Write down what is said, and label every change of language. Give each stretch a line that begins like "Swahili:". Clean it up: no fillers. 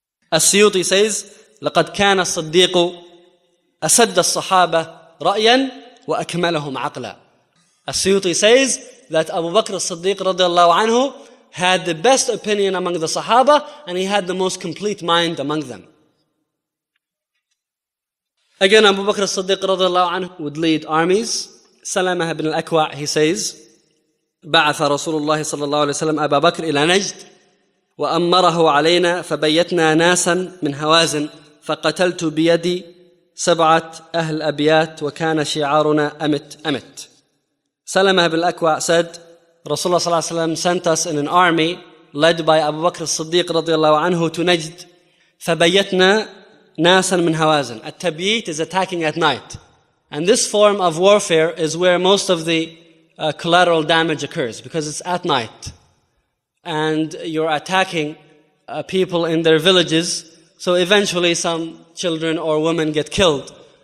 English: As-Suyuti says,
Arabic: لَقَدْ كَانَ الصَّدِّيقُ أَسَدَّ الصَّحَابَ رَأْيًا وَأَكْمَلَهُمْ عَقْلًا.
English: As-Suyuti says that Abu Bakr as-Siddiq radiallahu anhu had the best opinion among the Sahaba and he had the most complete mind among them. Again, Abu Bakr as-Siddiq radiallahu anhu would lead armies. Salamah ibn al-Akwa', he says,
Arabic: بعث رسول الله صلى الله عليه وسلم أبا بكر إلى نجد وأمره علينا فبيتنا ناسا من هوازن فقتلت بيدي 7 أهل أبيات وكان شعارنا أمت أمت. سلمة بن الأكوع said, رسول الله صلى الله عليه وسلم
English: sent us in an army led by
Arabic: أبو بكر الصديق رضي الله عنه to نجد فبيتنا ناسا من هوازن.
English: التبييت is attacking at night, and this form of warfare is where most of the collateral damage occurs, because it's at night and you're attacking people in their villages, so eventually some children or women get killed.